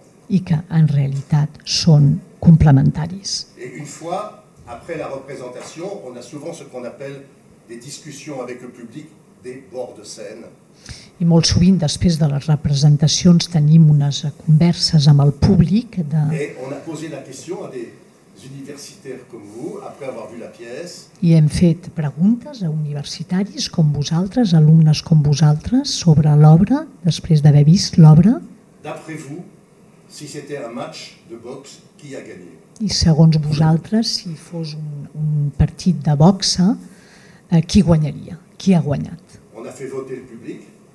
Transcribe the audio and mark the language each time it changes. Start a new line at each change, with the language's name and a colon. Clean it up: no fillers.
Catalan: I que en realitat són complementaris.
French: Et une fois après la représentation, on a souvent ce qu'on appelle des discussions avec le public, des bords de scène.
Catalan: I molt sovint, després de les representacions, tenim unes converses amb el públic. I hem fet preguntes a universitaris com vosaltres, alumnes com vosaltres, sobre l'obra, després d'haver vist l'obra.
French: D'après vous, si c'était un match de boxe, qui a gagné?
Catalan: I segons vosaltres, si fos un partit de boxe, qui guanyaria? Qui ha guanyat?
French: On a fait voter le public.